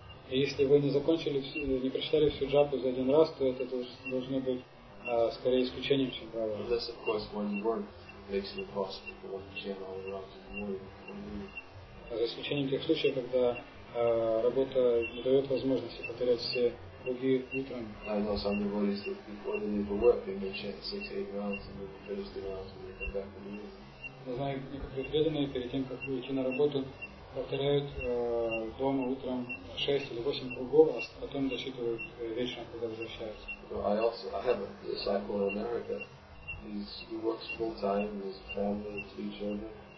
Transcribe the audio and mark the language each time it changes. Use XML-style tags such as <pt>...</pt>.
<ru>И если вы не закончили, не прочитали всю джапу за один раз, то это должно быть скорее исключением, чем правило.</ru> <en>Unless, of course, when you work, makes it impossible for one to chant all the rounds in the morning.</en> <ru>За исключением тех случаев, когда работа не дает возможности повторять все круги утром.</ru> <en>I know some devotees that before they leave for work, they may chant 6-8 rounds and then finish the rounds when they come back in the evening.</en> <ru>Я знаю, некоторые преданные перед тем, как идти на работу, повторяют дома утром 6 или 8 кругов, а потом зачитывают вечером, когда возвращаются.</ru> <en>So I have a disciple in America. He works full time, he has a family, three children.</en>